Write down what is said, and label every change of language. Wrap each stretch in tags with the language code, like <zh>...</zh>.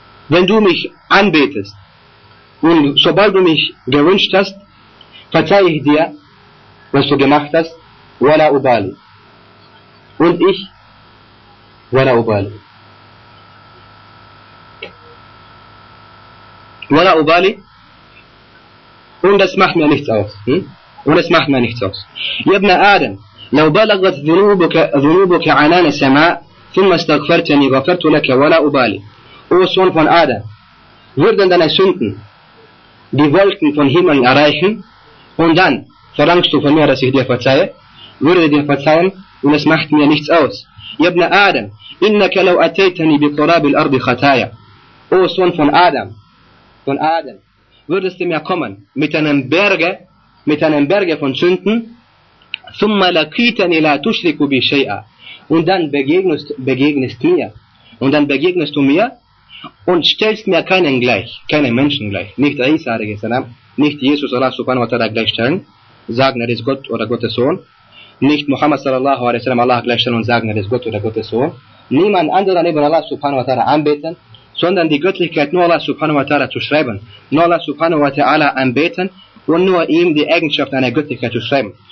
<de>Wenn du mich anbetest und sobald du mich gewünscht hast, verzeih ich dir, was du gemacht hast,</de> <ar>ولا أبالي.</ar> <de>Und ich,</de> <ar>ولا أبالي. ولا أبالي.</ar> <de>Und das macht mir nichts aus. Und das macht mir nichts aus.</de> <ar>Ibn Adam, لو بلغت ذنوبك عنان السماء ثم استغفرتني غفرت لك ولا أبالي.</ar> <de>O Sohn von Adam, würden deine Sünden die Wolken von Himmeln erreichen und dann verlangst du von mir, dass ich dir verzeihe, würde dir verzeihen und es macht mir nichts aus.</de> <ar>Ibn Adam, إنك لو أتيتني بقراب الأرض خطايا.</ar> <de>O Sohn von Adam, würdest du mir kommen mit einem Berge von Sünden,</de> <ar>ثم لقيتني لا تشرك بي شيئا,</ar> <de>und dann begegnest du mir und stellst mir keinen gleich, keinen Menschen gleich, nicht Isa a.s., nicht Jesus Allah subhanahu wa ta'ala gleichstellen, sagen, er ist Gott oder Gottes Sohn, nicht Muhammad sallallahu alaihi wasallam Allah gleichstellen und sagen, er ist Gott oder Gottes Sohn, niemand anderen neben Allah subhanahu wa ta'ala anbeten, sondern die Göttlichkeit nur Allah subhanahu wa ta'ala zu schreiben, nur Allah subhanahu wa ta'ala anbeten und nur ihm die Eigenschaft einer Göttlichkeit zu schreiben.</de>